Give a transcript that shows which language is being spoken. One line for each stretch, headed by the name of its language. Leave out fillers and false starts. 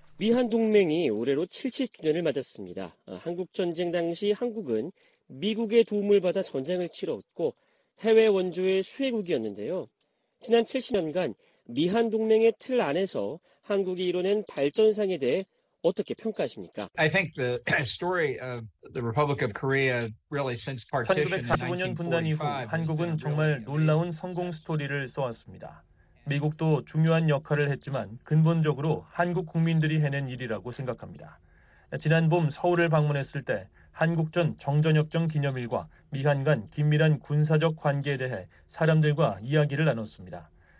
Korean: 미한 동맹이 올해로 70주년을 맞았습니다. 한국 전쟁 당시 한국은 미국의 도움을 받아 전쟁을 치러왔고 해외 원조의 수혜국이었는데요. 지난 70년간 미한 동맹의 틀 안에서 한국이 이뤄낸 발전상에 대해 어떻게 평가하십니까?
English: I think the story of the Republic of Korea really since partition in 1945
Korean: 분단 이후 한국은 정말 놀라운 성공 스토리를 써왔습니다. 미국도 중요한 역할을 했지만 근본적으로 한국 국민들이 해낸 일이라고 생각합니다. 지난 봄 서울을 방문했을 때 한국전 정전협정 기념일과 미한 간 긴밀한 군사적 관계에 대해 사람들과 이야기를 나눴습니다.